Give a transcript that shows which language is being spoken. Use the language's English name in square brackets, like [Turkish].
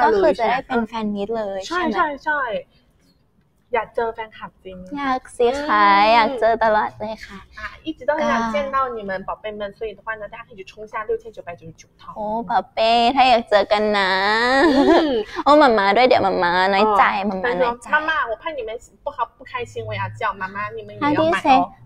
[Thai] เลยก็คือจะได้เป็นแฟนมีเลย ใช่ใช่ใช่อยากเจอแฟนคลับจริง อยากสิค่ะอยากเจอตลอดเลยค่ะ [Chinese] อ่ะ一直都想见到你们宝贝们所以的话呢大家可以去冲下6,999套 [Thai] โอ้宝贝ถ้าอยากเจอกันนะโอ้妈妈ด้วยเดี๋ยว妈妈น้อยใจ妈妈น้อยใจ [Chinese] 妈妈我怕你们不开心我要叫妈妈你们也要买哦